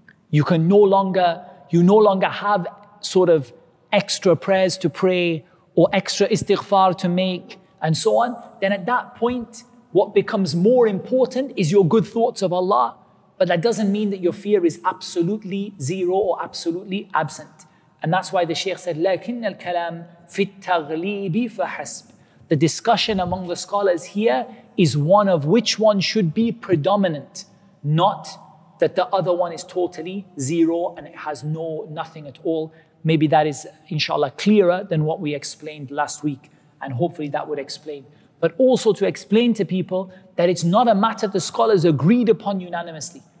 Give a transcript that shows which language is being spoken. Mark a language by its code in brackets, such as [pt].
[en] you no longer have sort of extra prayers to pray or extra istighfar to make and so on, then at that point, what becomes more important is your good thoughts of Allah. But that doesn't mean that your fear is absolutely zero or absolutely absent. And that's why the Shaykh said, [ar] لكن الكلام في التغليب فحسب. [en] The discussion among the scholars here is one of which one should be predominant, not that the other one is totally zero and it has no nothing at all. Maybe that is, inshallah, clearer than what we explained last week. And hopefully that would explain. But also to explain to people that it's not a matter the scholars agreed upon unanimously.